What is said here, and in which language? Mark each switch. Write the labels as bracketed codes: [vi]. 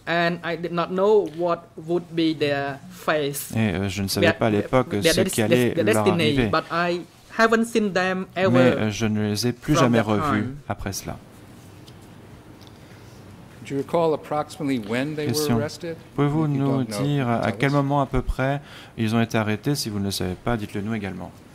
[en] And I did not know what would be their face. [fr] Et je ne savais pas à l'époque ce qui allait leur arriver. [en] But I haven't seen them ever. [fr] Mais je ne les ai plus jamais revus après cela. [en] Do you recall approximately when they were arrested? [fr] Pouvez-vous nous dire à quel moment à peu près ils ont été arrêtés? Si vous ne le savez pas, dites-le nous également.